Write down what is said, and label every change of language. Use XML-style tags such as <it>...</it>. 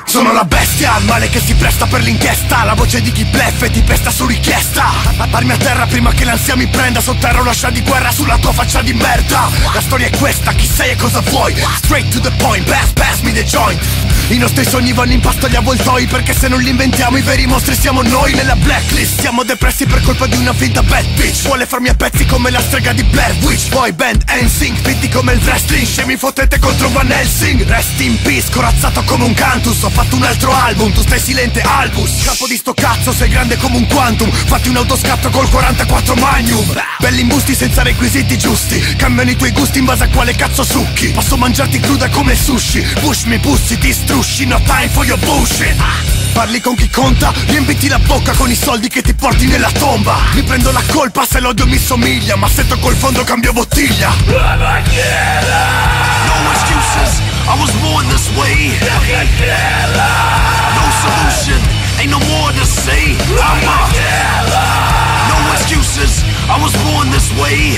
<it>Sono la bestia, il male che si presta per l'inchiesta. La voce di chi bleffa e ti pesta su richiesta. Parmi a terra prima che l'ansia mi prenda. Sotterro la scia di guerra sulla tua faccia di merda. La storia è questa, chi sei e cosa vuoi?</it> <en>Straight to the point, pass me the joint.</en> <it>I nostri sogni vanno in pasto agli avvoltoi. Perché se non li inventiamo, i veri mostri siamo noi. Nella blacklist siamo depressi per colpa di una finta bad bitch. Vuole farmi a pezzi come la strega di Blair Witch. Boy band, NSYNC, fitti come il wrestling. Scemi fottete contro Van Helsing.</it> <en>Rest in peace,</en> <it>corazzato come un cantus. Ho fatto un altro album, tu stai silente, Albus. Capo di sto cazzo, sei grande come un quantum. Fatti un autoscatto col 44 Magnum. Belli imbusti senza requisiti giusti. Cambiano i tuoi gusti in base a quale cazzo succhi. Posso mangiarti cruda come sushi.</it> <en>Push me, pussy, distrusci. No time for your bullshit.</en> <it>Parli con chi conta, riempiti la bocca con i soldi che ti porti nella tomba. Mi prendo la colpa se l'odio mi somiglia, ma se tocco il fondo cambio bottiglia.</it> <en>No excuses, I was born this way. No solution, ain't no more to say. I'm a no excuses, I was born this way.</en>